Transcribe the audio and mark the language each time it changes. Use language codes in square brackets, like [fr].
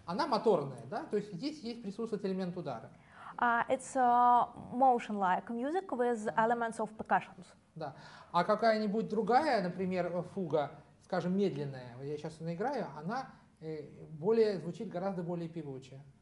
[ru] Моторная, да? То есть здесь есть присутствует элемент удара. [en] It's a motion-like music with elements of percussions. [ru] Да. А какая-нибудь другая, например, фуга, скажем, медленная, я сейчас наиграю, она более звучит гораздо более певуче.